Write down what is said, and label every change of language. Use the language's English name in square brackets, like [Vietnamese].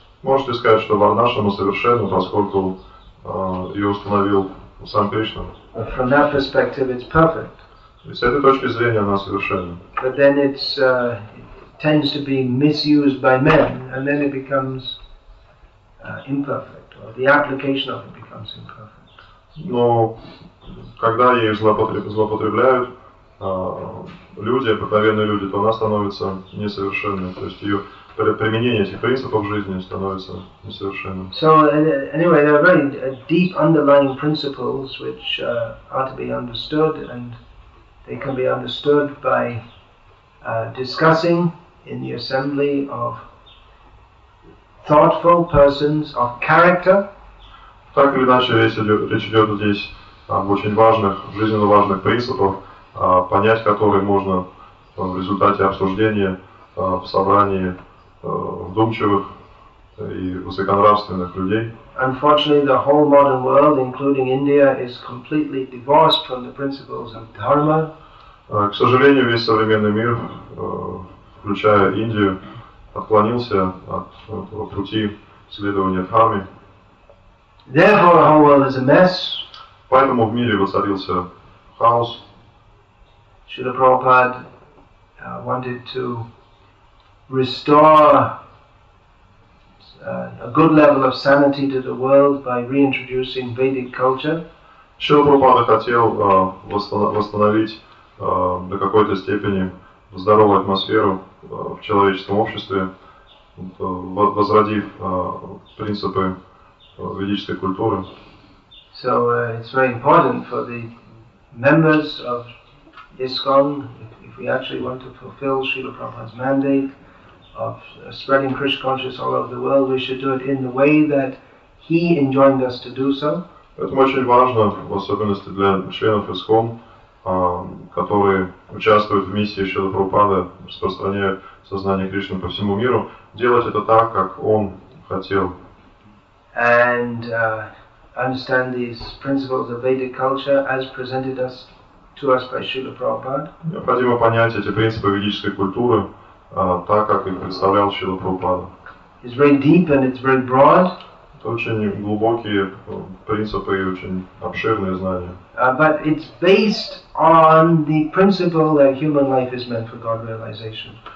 [Russian] Можете сказать, что Варнашрама совершенна, поскольку ее установил сам Кришна. [English] But from that perspective, it's perfect. [Russian] И с этой точки зрения она совершенна. [English] But then it's tends to be misused by men, and then it becomes imperfect, or the application of it becomes imperfect. [Russian] Но когда ей злоупотребляют люди, обыкновенные люди, то она становится несовершенной. То есть ее применение этих принципов в жизни становится несовершенным. [English] So anyway, there are very deep underlying principles which are to be understood, and they can be understood by discussing in the assembly of thoughtful persons of character. [Russian] Так или иначе, речь идет здесь об очень важных, жизненно важных принципах, понять которые можно в результате обсуждения в собрании вдумчивых и высоконравственных людей. [English] Unfortunately, the whole modern world, including India, is completely divorced from the principles of Dharma. [Russian] К сожалению, весь современный мир, включая Индию, отклонился от пути следования Дхарме. [English] Therefore, the whole world is a mess. [Russian] Поэтому в мире воцарился хаос. [English] Srila Prabhupada wanted to restore a good level of sanity to the world by reintroducing Vedic culture. [Russian] Srila Prabhupada хотел восстановить до какой-то степени здоровую атмосферу в человеческом обществе, возродив принципы ведической культуры. [English] So it's very important for the members of ISKCON, if we actually want to fulfill Srila Prabhupada's mandate of spreading Krishna consciousness all over the world, we should do it in the way that he enjoined us to do so. [Russian] Поэтому очень важно, в особенности для членов ISKCON, которые участвуют в миссии Шрилы Прабхупады, распространяя сознание Кришны по всему миру, делать это так, как он хотел. [English] And understand these principles of Vedic culture as presented us to us by Srila Prabhupada. [Russian] Необходимо понять эти принципы ведической культуры так, как их представлял Шрила Прабхупада. [English] It's very deep and it's very broad. [Russian] Это очень глубокие принципы и очень обширные знания. [English] But it's based on the principle that human life is meant for God realization.